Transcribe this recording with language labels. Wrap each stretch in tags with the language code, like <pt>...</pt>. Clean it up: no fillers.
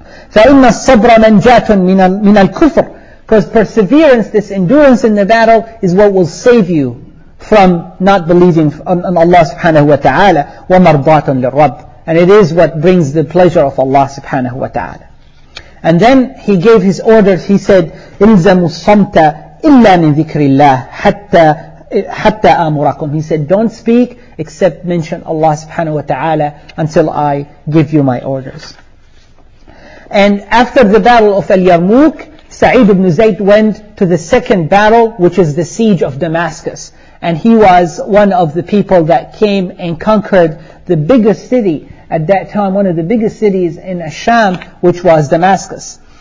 <ar>فَإِنَّ الصَّبْرَ مَنْجَاتٌ مِنَ الْكُفْرِ.</ar> <en>Because perseverance, this endurance in the battle, is what will save you from not believing in Allah subhanahu wa ta'ala.</en> <ar>وَمَرْضَاتٌ لِلْرَبِّ.</ar> <en>And it is what brings the pleasure of Allah subhanahu wa ta'ala. And then he gave his orders. He said,</en> <ar>إِلْزَمُ الصَّمْتَ إِلَّا مِنْ ذِكْرِ اللَّهِ حَتَّى أَمُرَكُمْ.</ar> <en>He said, don't speak except mention Allah subhanahu wa ta'ala until I give you my orders. And after the battle of Al-Yarmouk, Sa'id ibn Zayd went to the second battle, which is the siege of Damascus. And he was one of the people that came and conquered the biggest city at that time, one of the biggest cities in Sham, which was Damascus.</en>